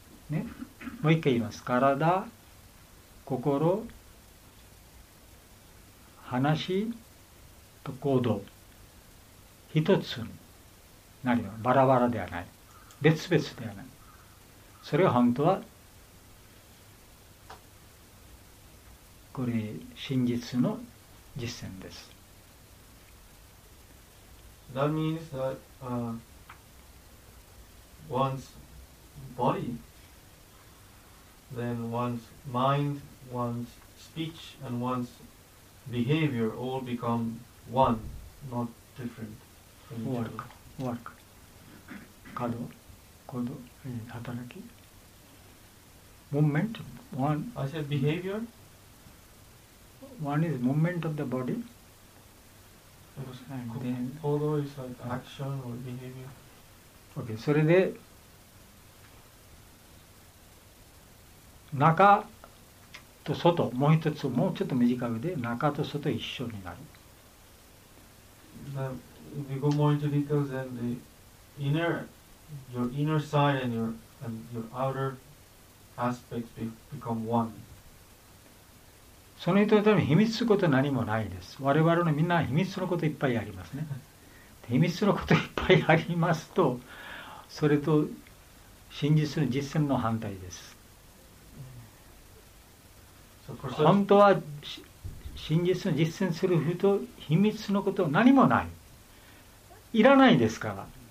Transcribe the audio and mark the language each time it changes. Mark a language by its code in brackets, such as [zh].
[ja] ね、もう一回言います。体、心、話と行動。一つになります。バラバラではない。別々ではない。それが本当は、これ、真実の実践です。 [en] That means that one's body, then one's mind, one's speech, and one's behavior all become one, not different from each work, other. Work. Kado, kodo, hataraki. Movement, one. I said behavior. One is movement of the body. And then, kodo is like action or behavior. [ja] Okay, それで中と外、もう一つ、もうちょっと短くで中と外一緒になる。 [en] If you go more into details, then the inner, your inner side and your outer aspects become one. [ja] その人のために秘密すること何もないです。我々のみんな秘密のこといっぱいありますね。秘密のこといっぱいありますと、それと真実の実践の反対です。本当は真実を実践する人と秘密のことは何もない。いらないですから。